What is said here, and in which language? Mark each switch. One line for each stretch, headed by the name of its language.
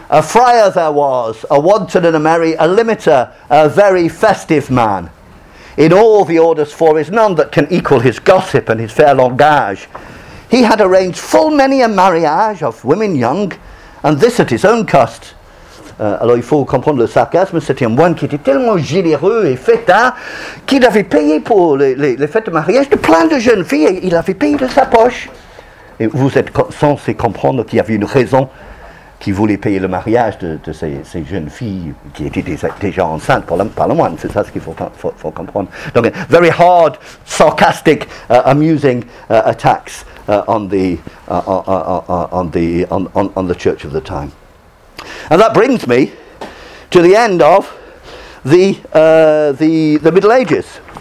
English: A friar there was, a wanton and a merry, a limiter, a very festive man. In all the orders four is none that can equal his gossip and his fair langage. He had arranged full many a mariage of women young, and this at his own cost.
French: Alors il faut comprendre le sarcasme, c'était un moine qui était tellement généreux et fêtard qu'il avait payé pour les fêtes de mariage de plein de jeunes filles, et il avait payé de sa poche. Et vous êtes censé comprendre qu'il y avait une raison qu'il voulait payer le mariage de ces jeunes filles qui étaient déjà enceintes par le moine, c'est ça ce qu'il faut comprendre. Donc,
English: very hard, sarcastic, amusing attacks on the church of the time. And that brings me to the end of the Middle Ages.